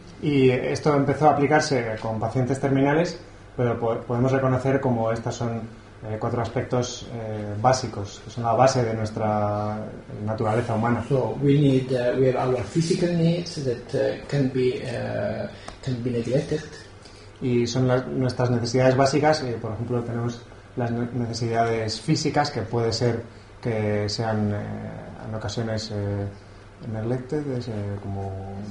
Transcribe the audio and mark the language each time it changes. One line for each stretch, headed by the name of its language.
Spanish: Y esto empezó a aplicarse con pacientes terminales, pero podemos reconocer como estas son cuatro aspectos básicos, que son la base de nuestra naturaleza humana.
English: So we have our physical needs that can be neglected.
Spanish: Y son nuestras necesidades básicas, por ejemplo, tenemos las necesidades físicas que puede ser que sean en ocasiones neglected, como